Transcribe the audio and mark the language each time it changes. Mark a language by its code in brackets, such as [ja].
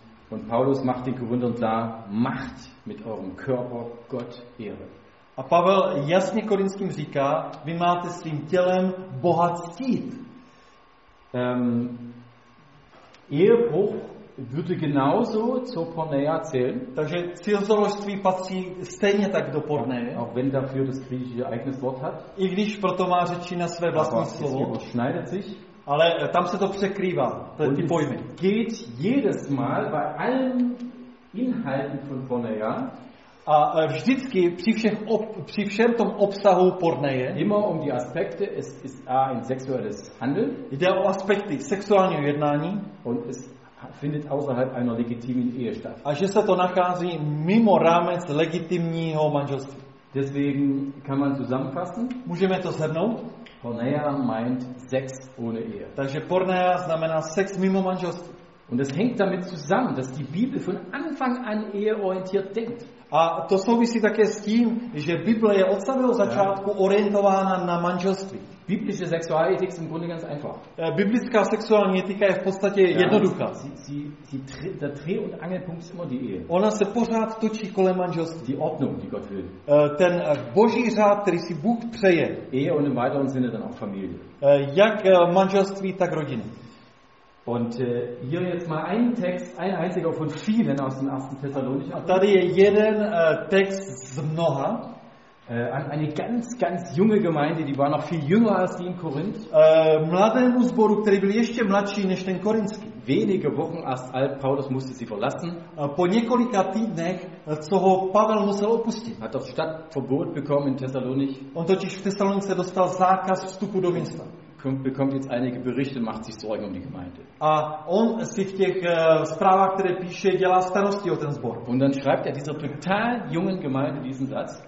[de] Und Paulus macht den Korinthern klar, macht mit eurem Körper Gott Ehre. [cs] A Pavel jasně korinským říká, vy máte svým tělem Boha ctít. [de] Ehebruch würde genauso zur Porneia zählen. [cs] Takže cizoložství patří stejně tak do Porneia. [de] Auch wenn dafür das griechische eigenes Wort hat. [cs] I když proto má řečina své vlastní slovo. [de] Aber es hier schneidet sich. [cs] Ale tam se to překrývá, ty pojmy. [de] Geht jedes Mal bei allen Inhalten von Porneia. [cs] A vždycky při všem tom obsahu porneje. [de] Immer um die Aspekte, es ist a ein sexuelles Handeln. [cs] Jde o aspekty sexuálního jednání. [de] Und es findet außerhalb einer legitimen Ehe statt. [cs] A že se to nachází mimo rámec legitimního manželství. [de] Deswegen kann man zusammenfassen. [cs] Můžeme to shrnout. [de] Porneia meint Sex ohne Ehe. [cs] Takže porneia znamená sex mimo manželství. [de] Und es hängt damit zusammen, dass die Bibel von Anfang an eheorientiert denkt. [cs] A to souvisí také s tím, že Bible je od samého začátku orientována na manželství. [de] Biblische Sexualethik ist im Grunde ganz einfach. [cs] Biblická sexuální etika je v podstatě jednoduchá. [de] Der Dreh- und Angelpunkt ist immer die Ehe. [cs] Ona se pořád točí kolem manželství. [de] Die Ordnung, die Gott will. [cs] Ten boží řád, který si Bůh přeje. [de] Ehe und im weiteren Sinne dann auch Familie. [cs] Jak manželství, tak rodiny. [de] Und hier jetzt mal ein Text, ein einziger von vielen aus dem 1. Thessalonicher. [cs] A tady je jeden text z mnoha. [de] An eine ganz, ganz junge Gemeinde, die war noch viel jünger als die in Korinth. [cs] Mladému zboru, který byl ještě mladší než ten korinský. [de] Wenige Wochen erst alt, Paulus musste sie verlassen. [cs] Po několika týdnech, co ho Pavel musel opustit. [de] Hat das Stadtverbot bekommen in Thessalonich. [cs] On totiž v Thessalonice dostal zákaz vstupu do města. [de] Bekommt jetzt einige Berichte, macht sich Sorgen um die Gemeinde. [cs] A on si v těch zprávách, které píše, dělá starosti o ten zbor. [de] Und dann schreibt er dieser total jungen Gemeinde diesen Satz.